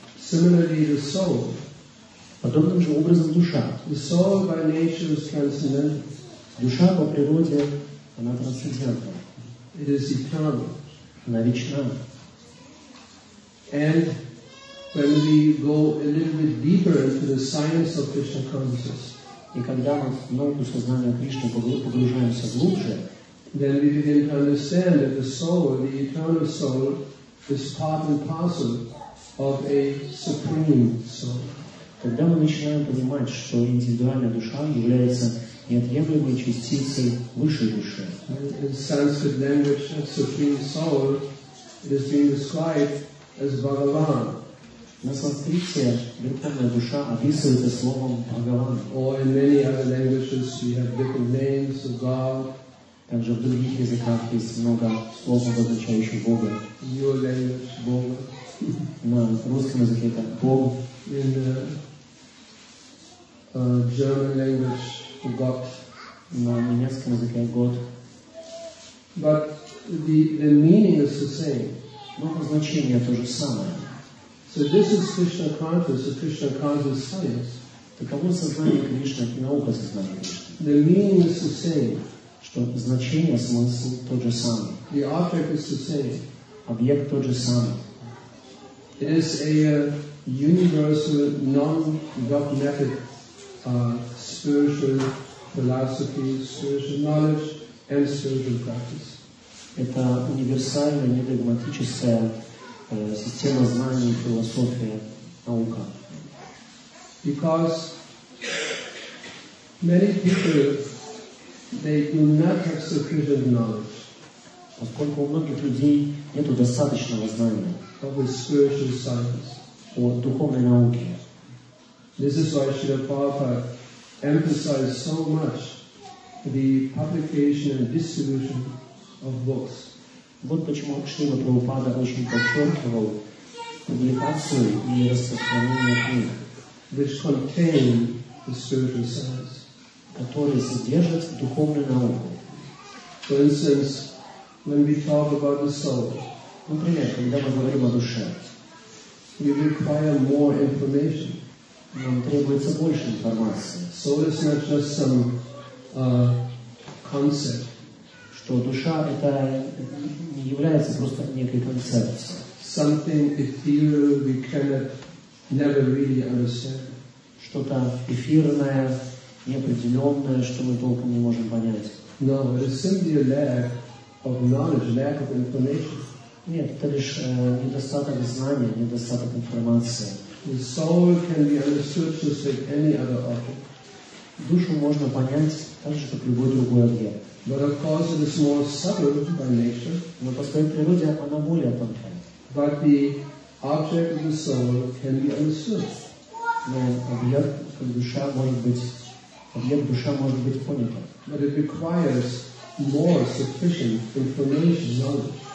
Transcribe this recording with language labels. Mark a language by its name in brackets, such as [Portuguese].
[English] Similarly, the soul. [Russian] Подобным же образом душа. [English] The soul by nature is transcendental. [Russian] Душа по природе, она трансцендентна. [English] It is eternal. [Russian] Она вечна. [English] And when we go a little bit deeper into the science of Krishna consciousness, [Russian] и когда мы науку сознания Кришны погружаемся глубже, [English] then we begin to understand that the soul, the eternal soul, is part and parcel of a supreme soul. [Russian] Тогда мы начинаем понимать, что индивидуальная душа является неотъемлемой частицей высшей души. [English] In Sanskrit language, supreme soul is being described as Bhagavan. [Russian] На санскрите духовная душа описывается словом Бхагаван. [English] Or in many other languages we have different names of God. [Russian] Также в других языках есть много слов, обозначающих Бога. [English] Your language, Бога. [Russian] На русском языке это Бог. [English] In the German language, Gott. [Russian] На немецком языке Gott. [English] But the meaning is the same. [Russian] Но значение то же самое. [English] So this is Krishna consciousness, or Krishna consciousness science. [Russian] Таково сознание Кришны, наука сознания. [English] The meaning is the same. [Russian] Что значение, смысл тот же самый. [English] The object is the same. [Russian] Объект тот же самый. [English] It is a universal, non-dogmatic spiritual philosophy, spiritual knowledge, and spiritual practice. [Russian] Это универсальная, недогматическая система знаний, философия, наука. [English] Because many people, they do not have sufficient knowledge. [Russian] Поскольку у многих людей нет достаточного знания. [English] Of the spiritual science. [Russian] О духовной науке. [English] This is why Srila Prabhupada emphasized so much the publication and distribution of books. [Russian] Вот почему Шрила Прабхупада очень подчеркивал публикацию и распространение книг, [English] which contain the spiritual science, [Russian] которые содержат духовную науку. [English] For instance, when we talk about the soul, [Russian] например, когда мы говорим о душе, [English] we require more information. [Russian] Нам требуется больше информации. [English] Soul is not just some concept. [Russian] Что душа — это не является просто некой концепцией. [English] Something ethereal we cannot never really understand. [Russian] Что-то эфирное, неопределенное, что мы толком не можем понять. [English] No, it is simply a lack of knowledge, lack of information. [Russian] Нет, это лишь недостаток знания, недостаток информации. [English] The soul can be understood just like any other object. [Russian] Душу можно понять так же, как любой другой объект. [English] But of course it is more subtle by nature. [Russian] Но по своей природе она более тонкая. [English] But the object of the soul can be understood. [Russian] Но объект душа может быть понят. [English] But it requires more sufficient information, knowledge.